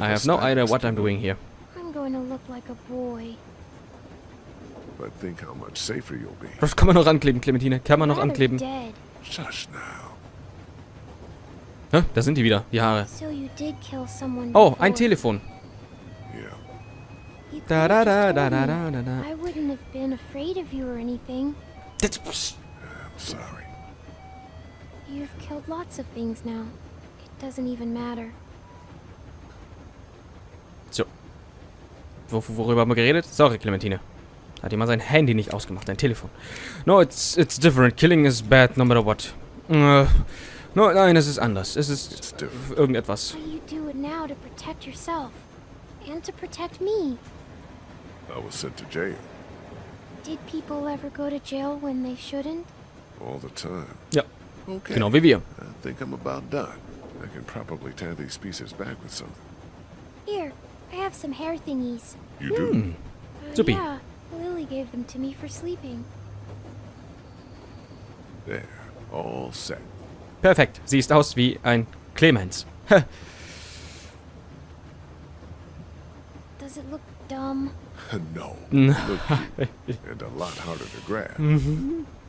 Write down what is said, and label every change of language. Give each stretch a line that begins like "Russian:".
English: I have no idea what I'm doing here. I'm going to look like a boy. But think how much safer you'll be.
German: Das kann man noch ankleben, Clementine. Kann man noch ankleben.
English: Shush now. Hä?
German: Da sind die wieder, die Haare.
English: So you did kill someone before.
German: Oh, ein Telefon.
English: Yeah. Da da da da da da da da. I wouldn't have been afraid of you or anything. That's... I'm sorry. You've killed lots of things now. It doesn't even matter. So.
German: Worüber haben wir geredet? Sorry, Clementine. Hat jemand sein Handy nicht ausgemacht, sein Telefon.
English: No, it's different. Killing is bad, no matter what. No,
German: nein, es ist anders. Es ist irgendetwas.
English: What do you do now to protect yourself and to protect me? I was sent to jail. Did people ever go to jail when they shouldn't? All the time.
German: Ja. Okay. Genau wie wir.
English: I think I'm about done. I can probably tie these pieces back with something. Here, I have some hair thingies. You do? Zuppi. Yeah, Lily gave them to me for sleeping. There, all set.
German: Perfekt, siehst aus wie ein Clemens.
English: Does it look dumb? No. And a lot harder to grab. Mm-hmm.